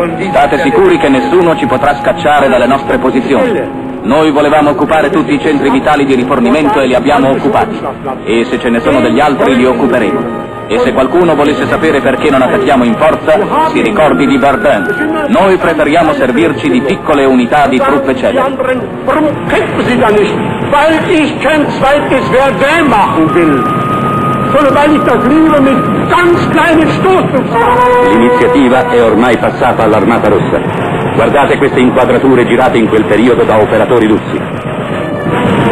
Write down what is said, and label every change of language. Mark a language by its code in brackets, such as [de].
[it] State sicuri che nessuno ci potrà scacciare dalle nostre posizioni. Noi volevamo occupare tutti i centri vitali di rifornimento e li abbiamo occupati. E se ce ne sono degli altri, li occuperemo. E se qualcuno volesse sapere perché non attacchiamo in forza, si ricordi di Verdun. Noi preferiamo servirci di piccole unità di truppe celeri. [de] Warum kämpfen Sie da nicht? Weil ich kein zweites Verdun machen will. Sondern weil ich das lieber mit ganz kleinen Stoßen. [it] L'iniziativa è ormai passata all'Armata Rossa. Guardate queste inquadrature girate in quel periodo da operatori russi.